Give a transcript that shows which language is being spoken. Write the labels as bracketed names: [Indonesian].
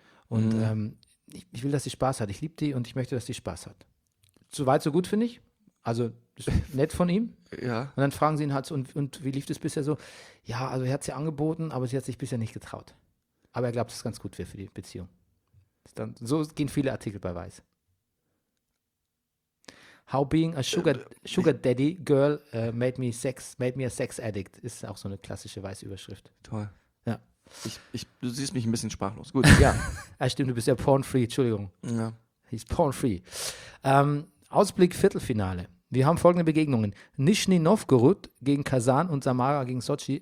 [German] Und ich will, dass sie Spaß hat. Ich liebe die und ich möchte, dass sie Spaß hat. So weit, so gut, finde ich. Also nett von ihm. Ja. Und dann fragen sie ihn halt so, und wie lief das bisher so? Ja, also er hat sie angeboten, aber sie hat sich bisher nicht getraut. Aber er glaubt, dass es ganz gut wäre für die Beziehung. Dann, so gehen viele Artikel bei Weiß. [English] How being a sugar daddy girl made me a sex addict. [German] Ist auch so eine klassische Weiß-Überschrift. Toll. Ja. Du siehst mich ein bisschen sprachlos. Gut. Ja. Stimmt, du bist ja porn-free. Entschuldigung. Ja. [English] He's porn-free. [German] Ausblick Viertelfinale. Wir haben folgende Begegnungen. Nischni Novgorod gegen Kasan und Samara gegen Sochi.